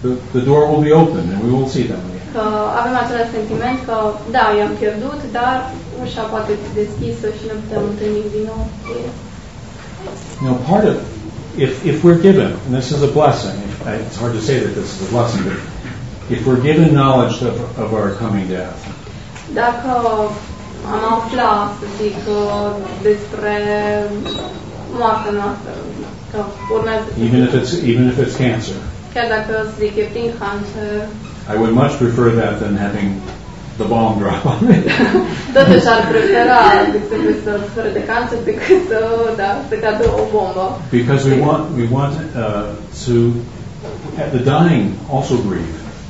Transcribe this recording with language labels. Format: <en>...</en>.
<en>The door will be open, and we will see them.</en> <ro>Că avem același sentiment că da, i-am pierdut, dar ușa poate fi deschisă și ne putem întâlni din nou.</ro> <en>Now part of if we're given, and this is a blessing, it's hard to say that this is a blessing, but if we're given knowledge of our coming death.</en> <ro>Dacă am aflat, să zic, despre moartea noastră, că urmează.</ro> <en>Even if it's cancer.</en> <ro>Chiar dacă, să zic, e prin cancer.</ro> <en>I would much prefer that than having the bomb drop on me.</en> <ro>Totuși ar prefera să fără de cancer decât să, da, să cadă o bombă.</ro> <en>Because we want to have the dying also grieve.</en>